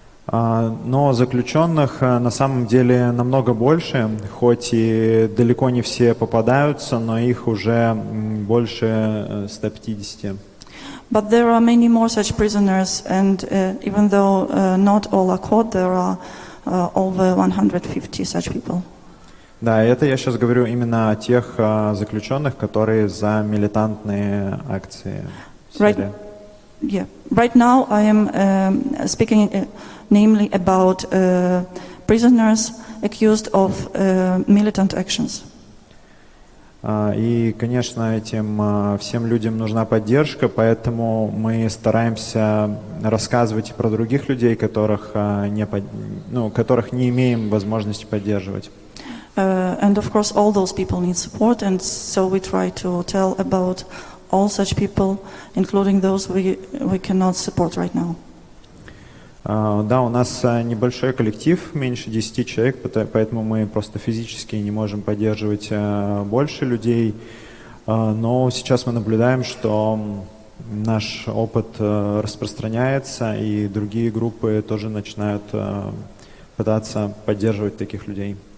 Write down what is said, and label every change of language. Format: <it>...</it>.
<ru>Но заключенных на самом деле намного больше, хоть и далеко не все попадаются, но их уже больше 150.</ru> <en>But there are many more such prisoners, and even though not all are caught, there are over 150 such people.</en> <ru>Да, это я сейчас говорю именно о тех заключенных, которые за милитантные акции.</ru> <en>Right now I am speaking namely about prisoners accused of militant actions.</en> <ru>И, конечно, этим всем людям нужна поддержка, поэтому мы стараемся рассказывать и про других людей, которых которых не имеем возможности поддерживать.</ru> <en>And of course all those people need support, and so we try to tell about all such people, including those we cannot support right now.</en> <ru>Да, у нас небольшой коллектив, меньше 10 человек, поэтому мы просто физически не можем поддерживать больше людей, но сейчас мы наблюдаем, что наш опыт распространяется, и другие группы тоже начинают пытаться поддерживать таких людей.</ru>